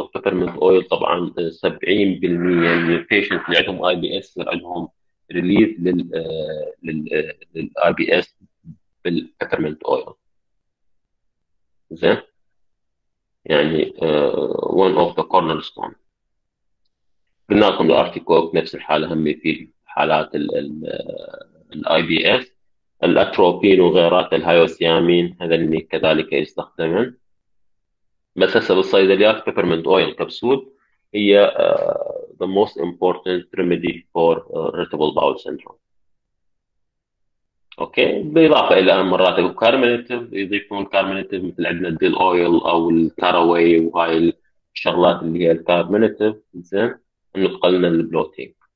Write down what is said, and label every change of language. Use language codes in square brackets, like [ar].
[ar] البيبرمنت أويل طبعا 70% من البيشنت اللي عندهم IBS يصير عندهم ريليف للـ IBS بالبيبرمنت أويل. زين؟ يعني [en] one of the cornerstone. [ar] قلنا لكم الارتيكوك نفس الحالة، هم في حالات الـ IBS. الأتروبين وغيرات الهايوسيامين هذا اللي كذلك يستخدمون. بس هسه بالصيدليات بيبرمنت أويل كبسول هي [en] the most important remedy for irritable bowel syndrome. [ar] اوكي بالاضافة الى مرات الكارمنتيف يضيفون كارمنتيف مثل عندنا الديل أويل او الكاراوي وهاي الشغلات اللي هي الكارمنتيف. زين انه قلنا البلوتينج.